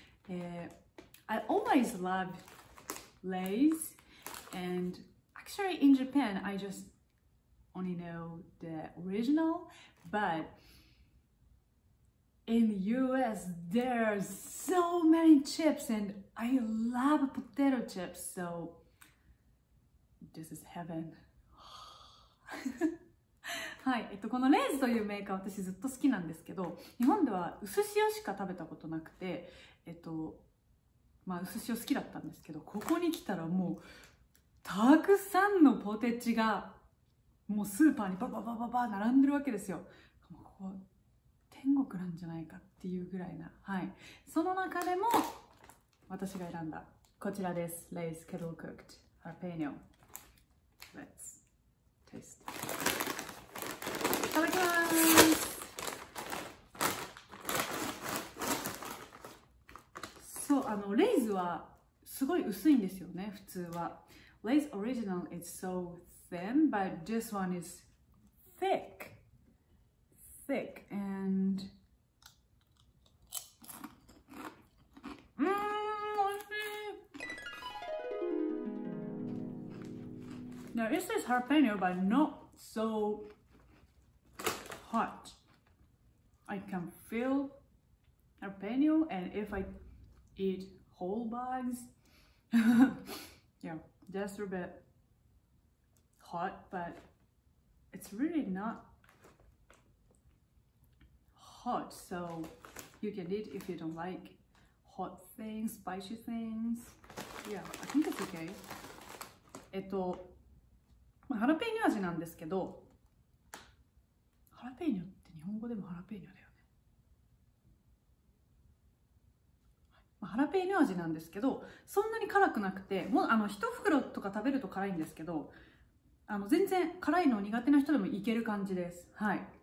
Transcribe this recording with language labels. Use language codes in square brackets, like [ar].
[en] I always love Lay's, and actually in Japan, I justonly know the original, but in the US there are so many chips and I love potato chips, so this is heaven. [ja] はい、このレイズというメーカー私ずっと好きなんですけど、日本では薄塩しか食べたことなくて、まあ薄塩好きだったんですけど、ここに来たらもうたくさんのポテチがもうスーパーにババババババ並んでるわけですよ。ここ天国なんじゃないかっていうぐらいな、はい、その中でも私が選んだこちらです。 [en] Lay's kettle cooked jalapeno。 Let's taste。 [ja] いただきます。そう、あのレイズはすごい薄いんですよね。普通は [en] Lay's original is soThin, but this one is thick. Thick and... Mmm, delicious! Now, it's this jalapeno, but not so hot. I can feel jalapeno, and if I eat whole bags, yeah, just a bit. Hot, but it's really not hot, so you can eat if you don't like hot things, spicy things. Yeah, I think it's okay. [ja] ハラペーニョ味なんですけど、ハラペーニョって日本語でもハラペーニョだよね。ハラペーニョ味なんですけど、そんなに辛くなくて、もうあの一袋とか食べると辛いんですけど、あの全然辛いの苦手な人でもいける感じです。はい。